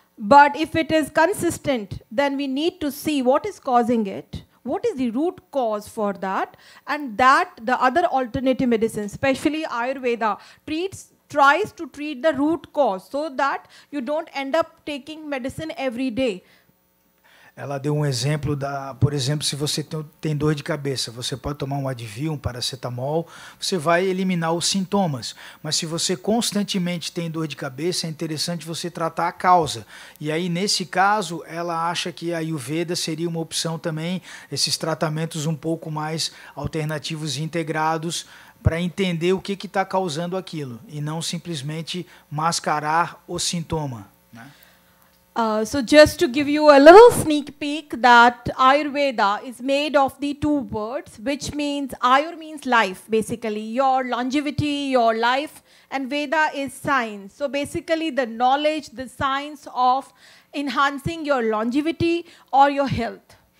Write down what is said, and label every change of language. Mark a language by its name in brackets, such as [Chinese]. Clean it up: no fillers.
[English] But if it is consistent, then we need to see what is causing it, what is the root cause for that, and that the other alternative medicines, especially Ayurveda, tries to treat the root cause so that you don't end up taking medicine every day. [Portuguese] Ela deu um exemplo, por exemplo, se você tem dor de cabeça, você pode tomar um Advil, um paracetamol, você vai eliminar os sintomas. Mas se você constantemente tem dor de cabeça, é interessante você tratar a causa. E aí, nesse caso, ela acha que a Ayurveda seria uma opção também, esses tratamentos um pouco mais alternativos e integrados para entender o que está causando aquilo e não simplesmente mascarar o sintoma. [English] So just to give you a little sneak peek that Ayurveda is made of the two words, which means Ayur means life, basically your longevity, your life, and Veda is science. So basically the knowledge, the science of enhancing your longevity or your health.